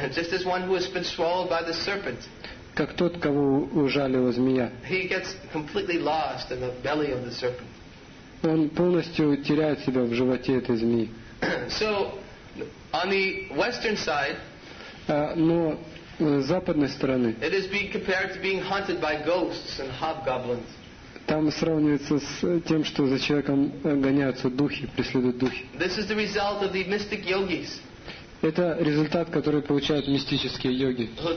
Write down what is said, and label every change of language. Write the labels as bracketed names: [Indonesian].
[English] Just as one who has been swallowed by the serpent. [Russian] Как тот, кого ужалила змея. [English] He gets completely lost in the belly of the serpent. [Russian] Он полностью теряет себя в животе этой змеи. [English] So, on the western side, [Russian] но с западной стороны, [English] it is being compared to being hunted by ghosts and hobgoblins. [Russian] Там сравнивается с тем, что за человеком гоняются духи, преследуют духи. [English] This is the result of the mystic yogis. [Russian] Это результат, который получают мистические йоги.